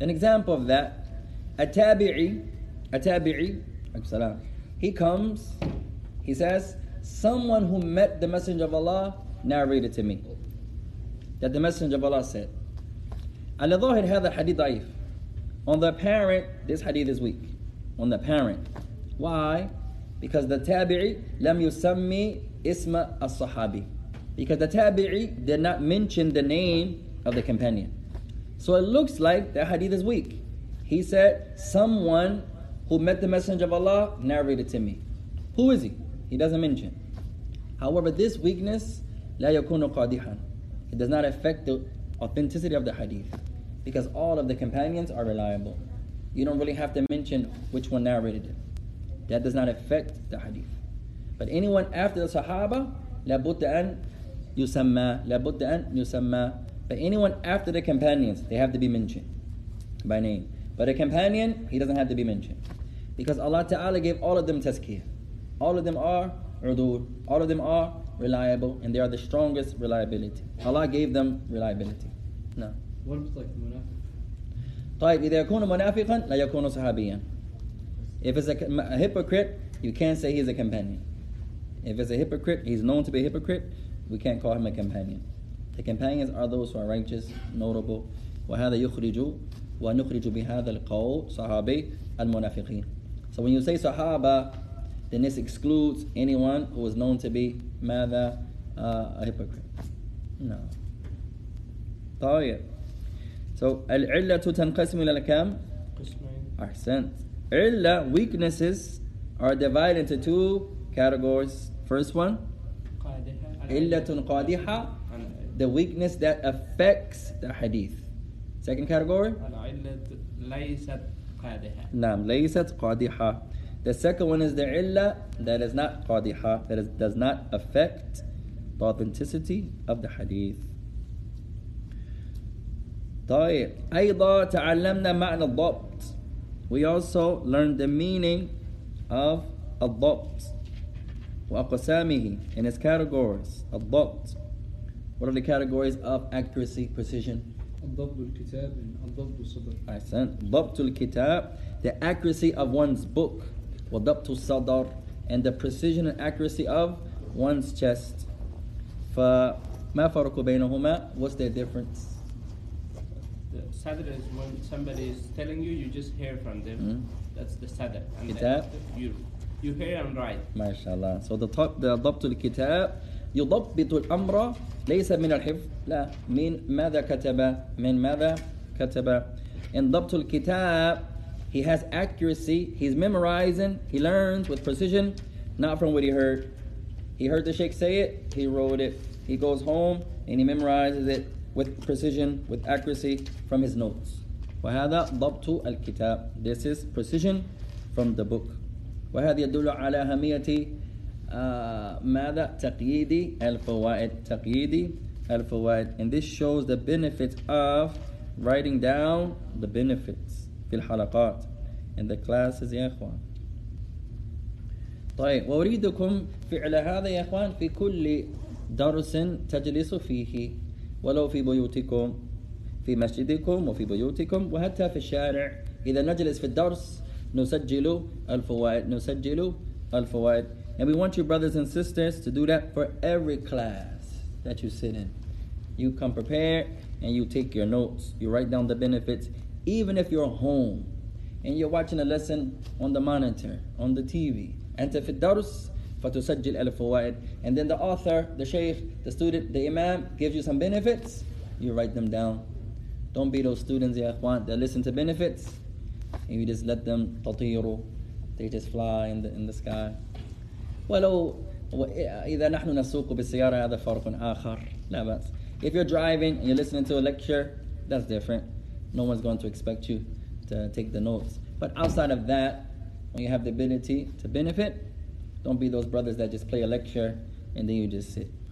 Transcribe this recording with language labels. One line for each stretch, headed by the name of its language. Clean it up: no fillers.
English: An example of that, a tabi'i, he comes, he says, someone who met the Messenger of Allah narrated to me that the Messenger of Allah said.
Arabic: على ظاهر هذا الحديث ضعيف.
English: On the apparent, this hadith is weak. On the apparent. Why? Because the tabi'i
Arabic: لم يسمي اسم الصحابي.
English: Because the tabi'i did not mention the name of the companion. So it looks like that hadith is weak. He said, someone who met the Messenger of Allah narrated to me. Who is he? He doesn't mention. However, this weakness,
Arabic: لا يكون قادحا.
English: It does not affect the authenticity of the hadith, because all of the companions are reliable. You don't really have to mention which one narrated it. That does not affect the hadith. But anyone after the Sahaba,
Arabic: لابد أن يسمى.
English: But anyone after the companions, they have to be mentioned by name. But a companion, he doesn't have to be mentioned, because Allah Ta'ala gave all of them tazkiyah. All of them are udur. All of them are reliable, and they are the strongest reliability. Allah gave them reliability. No. What about like
Arabic: munafiq? طيب إذا يكون منافقا لا يكون صحابيا.
English: If it's a hypocrite, you can't say he's a companion. If it's a hypocrite, he's known to be a hypocrite, we can't call him a companion. The companions are those who are righteous, notable.
Arabic: وهذا يخرج ونخرج بهذا القول صحابي المنافقين.
English: So when you say صحابة, then this excludes anyone who is known to be ماذا, a hypocrite.
Arabic: No. طيب. So العلة تنقسم إلى كم؟ قسمين.
English: أحسنت. علة, weaknesses, are divided into two categories. First one, علة قادحة, the weakness that affects the hadith. Second category,
Arabic: العلة ليست قادحة. نعم, ليست قادحة.
English: The second one is the illa that is not qadiha, that is, does not affect the authenticity of the hadith.
Arabic: طيب أيضا تعلمنا معنى الضبط.
English: We also learned the meaning of
Arabic: الضبط وأقسامه
English: in its categories. الضبط. What are the categories of accuracy, precision?
Arabic: الضبط الكتاب الضبط الصدر. أحسن. ضبط الكتاب,
English: the accuracy of one's book.
Arabic: وضبط الصدر,
English: and the precision and accuracy of one's chest.
Arabic: فما فرق بينهما?
English: What's the difference? Sadr is when somebody is telling you, you just hear from them. Mm. That's the sadr. Kitab? You hear and write.
Arabic: MashaAllah.
English: So the
Arabic: ضبط الكتاب يضبط الأمر ليس من الحفظ لا من ماذا كتب من ماذا كتب.
English: In ضبط الكتاب, he has accuracy. He's memorizing. He learns with precision, not from what he heard. He heard the sheikh say it, he wrote it. He goes home and he memorizes it with precision, with accuracy from his notes.
Arabic: وهذا ضبط الكتاب.
English: This is precision from the book.
Arabic: وهذا يدل على أهمية ماذا تقييدي الفوائد. تقييدي الفوائد.
English: And this shows the benefits of writing down the benefits
Arabic: في الحلقات
English: in the classes يا إخوان.
Arabic: طيب وأريدكم فعل هذا يا إخوان في كل درس تجلس فيه ولو في بيوتكم في مسجدكم وفي بيوتكم وحتى في الشارع. إذا نجلس في الدرس نسجل الفوائد نسجل الفوائد.
English: And we want you brothers and sisters to do that for every class that you sit in. You come prepared and you take your notes. You write down the benefits. Even if you're home and you're watching a lesson on the monitor, on the TV.
Arabic: أنت في الدرس فتسجل الفوائد.
English: And then the author, the sheikh, the student, the imam gives you some benefits. You write them down. Don't be those students,
Arabic: يا إخوان,
English: that listen to benefits and you just let them تطيروا. They just fly in the sky.
Arabic: ولو إذا نحن نسوق بالسيارة هذا فرق آخر لا بأس.
English: If you're driving and you're listening to a lecture, that's different. No one's going to expect you to take the notes. But outside of that, when you have the ability to benefit, don't be those brothers that just play a lecture and then you just sit.